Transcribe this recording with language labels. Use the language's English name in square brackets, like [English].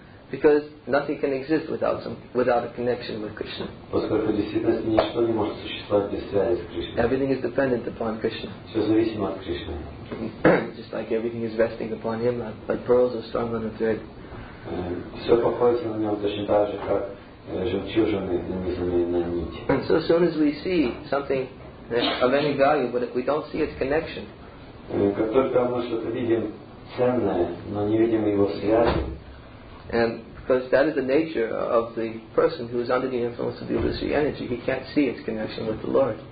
[English] Because nothing can exist without a connection with Krishna. [Russian] Поскольку в действительности ничто не может существовать без связи с Кришной. [English] Everything is dependent upon Krishna. [Russian] Все зависимо от Кришны. [English] Just like everything is resting upon Him, like pearls are strung on a thread. [Russian] Все покоится на Нем точно так же, как жемчужины нанизаны на нить. [English] And so soon as we see something of any value, but if we don't see its connection, [Russian] как только мы что-то видим ценное, но не видим его связи, [English] and because that is the nature of the person who is under the influence of the illusory energy, he can't see its connection with the Lord.